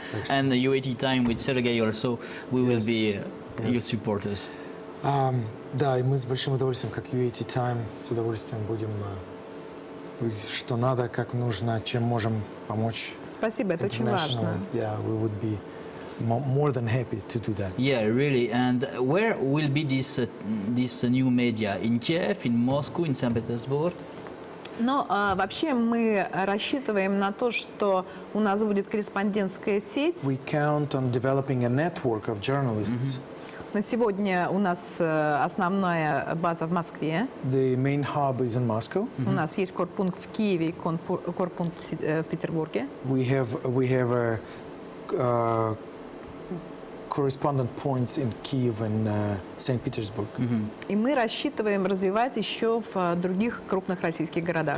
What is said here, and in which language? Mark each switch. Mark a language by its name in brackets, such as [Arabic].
[English] And the UAT time with Sergey also, we will be your supporters. [Russian] Да, и мы с большим удовольствием, как UAT time, с удовольствием будем, что надо, как нужно, чем можем помочь. Спасибо, это очень важно. [English] Yeah, we would be more than happy to do that. Yeah, really. And where will be this this new media? In Kiev, in Moscow, in St. Petersburg? [Russian] Но вообще мы рассчитываем на то, что у нас будет корреспондентская сеть. [English] We count on developing a network of journalists. [Russian] На сегодня у нас основная база в Москве. [English] The main hub is in Moscow. [Russian] У нас есть корпункт в Киеве и корпункт в Петербурге. [English] We have a correspondent points in Kyiv and St. Petersburg. [Russian] И мы рассчитываем развивать еще в других крупных российских городах.